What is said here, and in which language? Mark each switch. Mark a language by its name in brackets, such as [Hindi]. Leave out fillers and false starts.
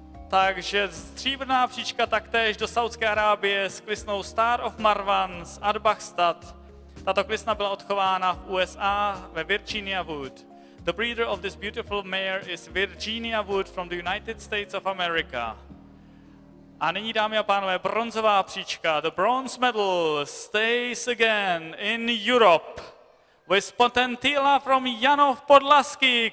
[Czech] Takže stříbrná příčka taktéž do Saudské Arábie s klisnou Star of Marwan z Adbachstadt. Tato klisna byla odchována v USA ve Virginia Wood. [English] The breeder of this beautiful mare is Virginia Wood from the United States of America. [Czech] A nyní, dámy a pánové, bronzová příčka. [English] The bronze medal stays again in Europe with Potentilla from Janov Podlaski.